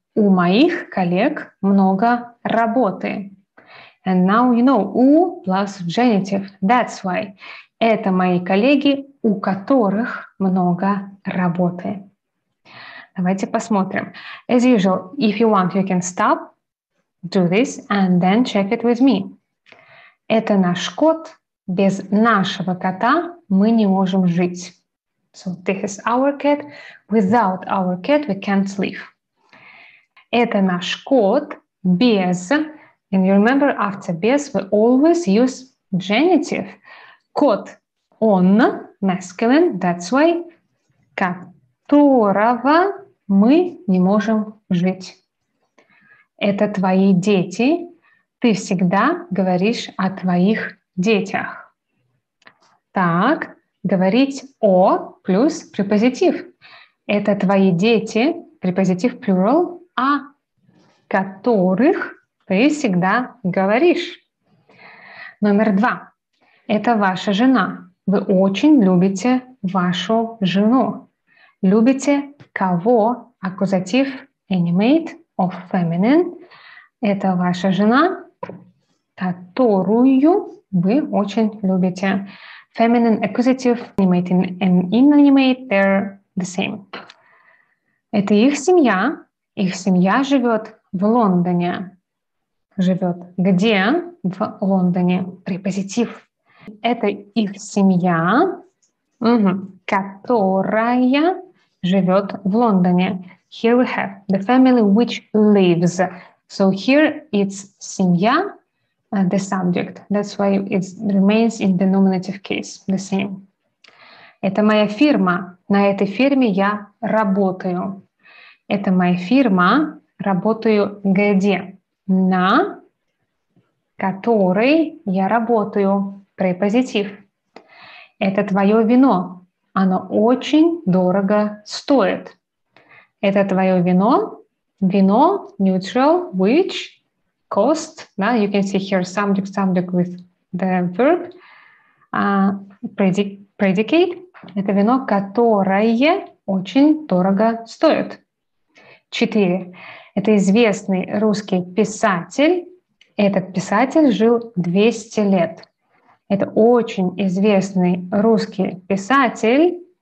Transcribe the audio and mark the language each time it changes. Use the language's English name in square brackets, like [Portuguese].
[Russian] У моих коллег много работы. [English] And now you know, у plus genitive. That's why. [Russian] Это мои коллеги, у которых много работы. Давайте посмотрим. [English] As usual, if you want, you can stop. Do this and then check it with me. [Russian] Это наш кот. Без нашего кота мы не можем жить. [English] So this is our cat. Without our cat we can't live. [Russian] Это наш кот. Без. [English] And you remember, after без we always use genitive. Кот. Он. Masculine. That's why. [Russian] Которого мы не можем жить. Это твои дети. Ты всегда говоришь о твоих детях. Так, говорить о плюс препозитив. Это твои дети, препозитив plural, о которых ты всегда говоришь. Номер два. Это ваша жена. Вы очень любите вашу жену. Любите кого? Аккузатив [English] animate of feminine. [Russian] Это ваша жена, которую вы очень любите. [English] Feminine accusative, animate and inanimate, they're the same. [Russian] Это их семья. Их семья живет в Лондоне. Живет где? В Лондоне. Препозитив. Это их семья, которая живет в Лондоне. [English] Here we have the family which lives. So here it's семья, the subject. That's why it remains in the nominative case, the same. [Russian] Это моя фирма. На этой фирме я работаю. Это моя фирма. Работаю где? На которой я работаю. Препозитив. Это твое вино. Оно очень дорого стоит. Это твое вино. Вино, [English] neutral, which, cost. Now you can see here subject, subject with the verb. Predicate. [Russian] Это вино, которое очень дорого стоит. Четыре. Это известный русский писатель. Этот писатель жил 200 лет. Это очень известный русский писатель.